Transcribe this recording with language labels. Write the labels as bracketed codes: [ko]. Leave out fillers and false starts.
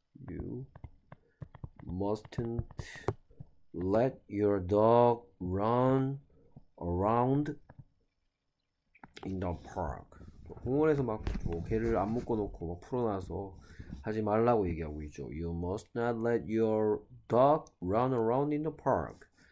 [en] You mustn't let your dog run around in the park. [ko] 공원에서 막뭐 개를 안 묶어놓고 막 풀어놔서 하지 말라고 얘기하고 있죠. [en] You must not let your dog run around in the park.